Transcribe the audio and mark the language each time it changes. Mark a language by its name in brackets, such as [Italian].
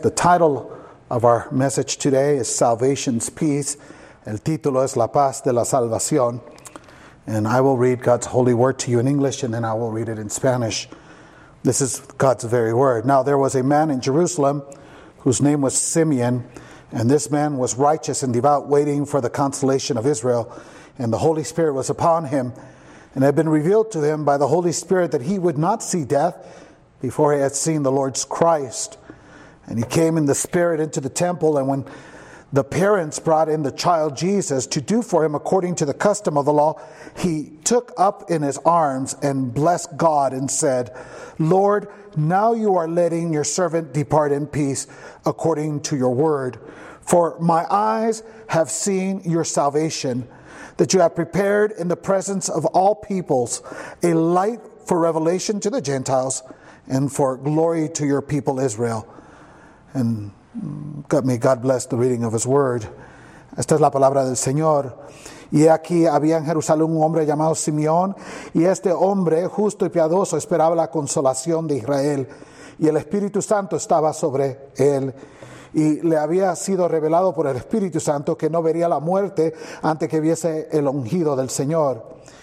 [English] The title of our message today is Salvation's Peace. [Spanish] El título es La Paz de la Salvación. [English] And I will read God's holy word to you in English, and then I will read it in Spanish. This is God's very word. Now there was a man in Jerusalem whose name was Simeon, and this man was righteous and devout, waiting for the consolation of Israel, and the Holy Spirit was upon him. And it had been revealed to him by the Holy Spirit that he would not see death before he had seen the Lord's Christ. And he came in the Spirit into the temple, and when the parents brought in the child Jesus to do for him according to the custom of the law, he took up in his arms and blessed God and said, Lord, now you are letting your servant depart in peace according to your word. For my eyes have seen your salvation, that you have prepared in the presence of all peoples a light for revelation to the Gentiles and for glory to your people Israel. And God, may God bless the reading of his word. [Spanish] Esta es la palabra del Señor. Y aquí había en Jerusalén un hombre llamado Simeón, y este hombre justo y piadoso esperaba la consolación de Israel, y el Espíritu Santo estaba sobre él. Y le había sido revelado por el Espíritu Santo que no vería la muerte antes que viese el ungido del Señor.